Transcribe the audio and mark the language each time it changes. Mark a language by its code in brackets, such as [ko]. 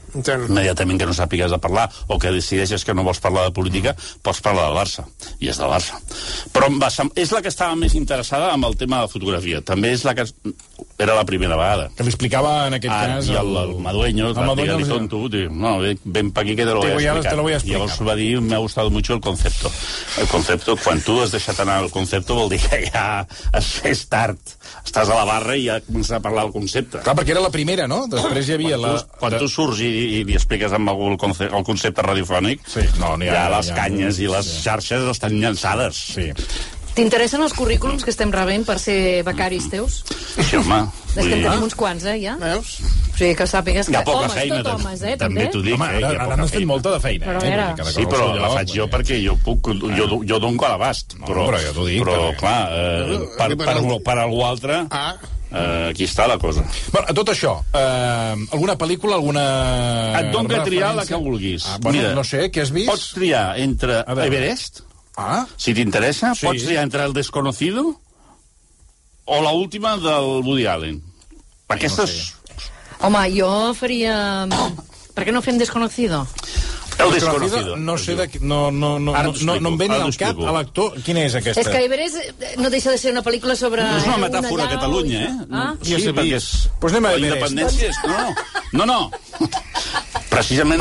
[ca] Immediatament que no sàpigues de parlar o que decideixes que no vols parlar de política, pots parlar del Barça, i és del Barça. Però és la que estava més interessada amb el tema de fotografia. També és la que era la primera vegada. Que l'explicava en aquest cas... I el Madueño, digue-li tonto, no, ben per aquí [es] que te lo voy a explicar. [ca] Llavors va dir, [es] me ha gustado mucho el concepto. [ca] El concepto, quan tu has deixat anar el concepto, vol dir que ja és tard. Estàs a la barra i ja comença a parlar el concepte. Clar, perquè era la primera, no? Després hi havia la... Quan tu surts i li expliques amb algú el concepte radiofònic, ja les canyes i les xarxes estan llançades. Sí. T'interessen els currículums que estem rebent per ser becaris teus? Sí, home. És que en tenim uns quants, ja. Veus? O sigui, que sàpigues que... Hi ha poca feina, també t'ho dic. Home, ara n'has fet molta de feina. Sí, però la faig jo perquè jo puc... Jo dono a l'abast. Però ja t'ho dic. Però, clar, per algú altre... aquí està la cosa. Bueno, tot això, alguna pel·lícula, alguna... Et dono que triar la que vulguis. Mira, no sé, què has vist? Pots triar entre Everest... Si t'interessa, sí. Pots entrar El Desconocido o la última del Woody Allen. Aquestes... Home, jo faria... Per què no fem Desconocido? El Desconocido. No sé de què... No em ve ni al cap a l'actor. Quina és aquesta? És que Everest no deixa de ser una pel·lícula sobre... No és una metàfora a Catalunya, i... eh? Ah? Sí, sí, perquè és... Pues anem a Everest. Independències, no? No, no. Precisament...